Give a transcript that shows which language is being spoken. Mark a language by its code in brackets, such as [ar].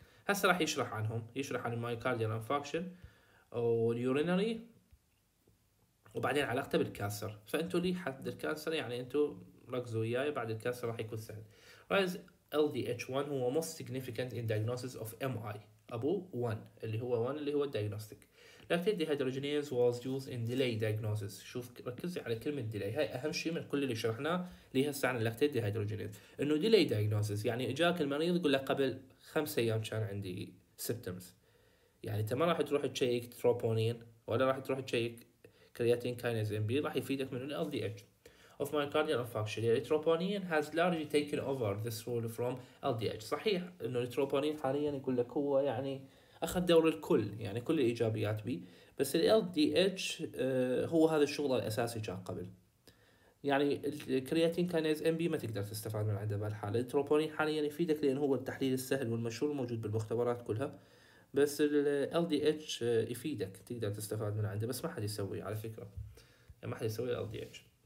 [ar] هسا راح يشرح عنهم، يشرح عن المايوكارديال إنفاركشن واليورينري وبعدين علاقته بالكانسر. فأنتوا لي حد الكانسر يعني أنتوا ركزوا وياي، بعد الكانسر راح يكون سهل. رايز LDH1 هو [en] most significant in diagnosis of MI [ar] أبو 1 اللي هو 1 اللي هو الدياجنوستيك. [en] Lactate dehydrogenase was used in delay diagnosis. [ar] شوف ركزي على كلمة delay، هاي أهم شيء من كل اللي شرحناه ليها الساعة عن lactate dehydrogenase، إنه [en] delay diagnosis [ar] يعني إجاك المريض يقول لك قبل 5 أيام كان عندي symptoms، يعني تما راح تروح تشيك تروبونين ولا راح تروح تشيك كرياتين كينيز إم بي، راح يفيدك من LDH. [en] of myocardial infarction. Yeah, التروبونين has largely taken over this role from LDH. [ar] صحيح انه التروبونين حاليا يقول لك هو يعني اخذ دور الكل، يعني كل الايجابيات بي، بس ال LDH هو هذا الشغل الاساسي كان قبل. يعني الكرياتين كينيز ام بي ما تقدر تستفاد من عنده بهالحاله، التروبونين حاليا يفيدك لان هو التحليل السهل والمشهور الموجود بالمختبرات كلها، بس ال LDH يفيدك تقدر تستفاد من عنده، بس ما حد يسوي على فكره، يعني ما حد يسوي ال LDH.